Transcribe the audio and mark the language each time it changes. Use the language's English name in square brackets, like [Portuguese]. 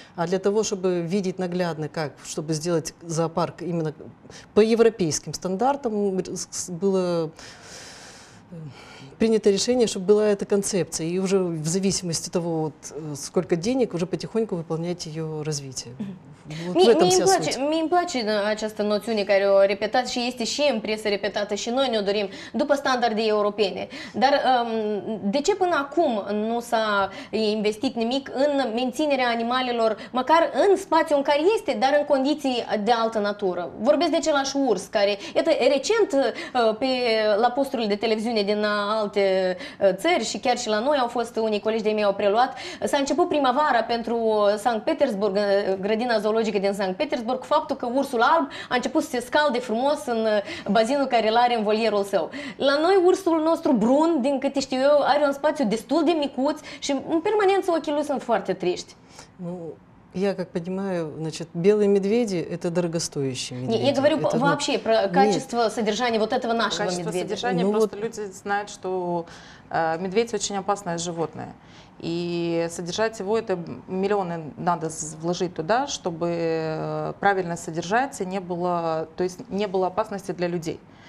[Russian] А для того, чтобы видеть наглядно, как, чтобы сделать зоопарк именно по европейским стандартам, было... Принято решение, чтобы была эта концепция, и уже в зависимости от того, вот, сколько денег, уже потихоньку выполнять ее развитие. Вот [Romanian] Мне плачет această noțiune care o repetat și este și în presă repetată și noi ne-o dorim după standarde europene. Dar de ce până acum nu s-a investit nimic în menținerea animalelor, măcar în spațiu în care este, dar în condiții de altă natură? Vorbesc de același urs care, iată, recent la posturile de televiziune din alte țări și chiar și la noi au fost unii colegi de-ai mei au preluat, s-a început primăvara pentru Sankt Petersburg, grădina zoologică din Sankt Petersburg, faptul că ursul alb a început să se scalde frumos în bazinul care îl are în volierul său. La noi ursul nostru brun, din câte știu eu, are un spațiu destul de micuț și în permanență ochii lui sunt foarte triști. Nu, [Russian] Я как понимаю, значит, белые медведи – это дорогостоящие медведи. Нет, я говорю вообще про качество содержания вот этого нашего качество медведя. Качество содержания, ну, просто вот... люди знают, что медведь – очень опасное животное. И содержать его, это миллионы надо вложить туда, чтобы правильно содержать, и не было, то есть не было опасности для людей.